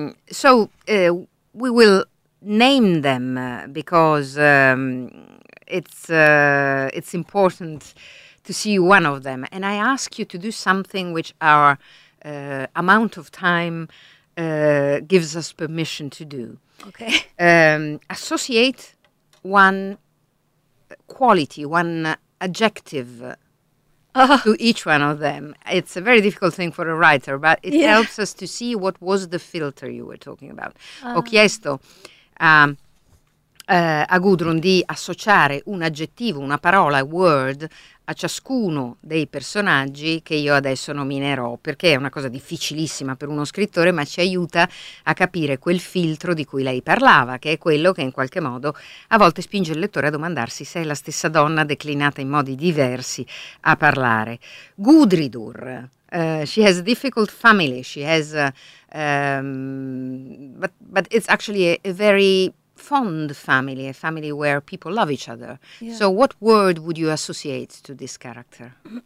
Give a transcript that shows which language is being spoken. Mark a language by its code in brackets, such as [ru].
[en] So we will name them because it's important to see one of them, and I ask you to do something which our amount of time gives us permission to do. Okay. Associate one quality, one adjective to each one of them. It's a very difficult thing for a writer, but it helps us to see what was the filter you were talking about. [it] Ho chiesto a Gudrun di associare un aggettivo, una parola, [en] a word, [it] a ciascuno dei personaggi che io adesso nominerò, perché è una cosa difficilissima per uno scrittore, ma ci aiuta a capire quel filtro di cui lei parlava, che è quello che in qualche modo a volte spinge il lettore a domandarsi se è la stessa donna declinata in modi diversi a parlare. [en] Gudridur, she has a difficult family, she has but it's actually a very fond family, a family where people love each other. Yeah. So what word would you associate to this character?